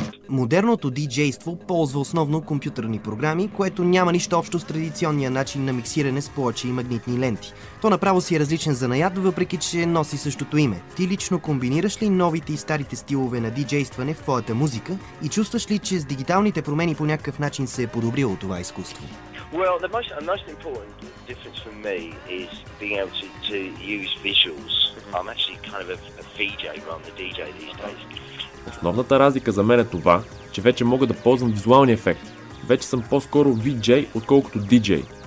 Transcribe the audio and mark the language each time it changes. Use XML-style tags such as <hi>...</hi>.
<bg>Модерното диджейство ползва основно компютърни програми, което няма нищо общо с традиционния начин на миксиране с плочи и магнитни ленти. То направо си е различен занаят, въпреки че носи същото име. Ти лично комбинираш ли новите и старите стилове на диджействане в твоята музика и чувстваш ли, че с дигиталните промени по някакъв начин се е подобрило това изкуство?</bg> <en>Well, the most important difference for me is being able to use visuals. I'm actually kind of a VJ rather than a DJ these days.</en> <bg>Основната разлика за мен е това, че вече мога да ползвам визуалния ефект. Вече съм по-скоро VJ, отколкото DJ.</bg>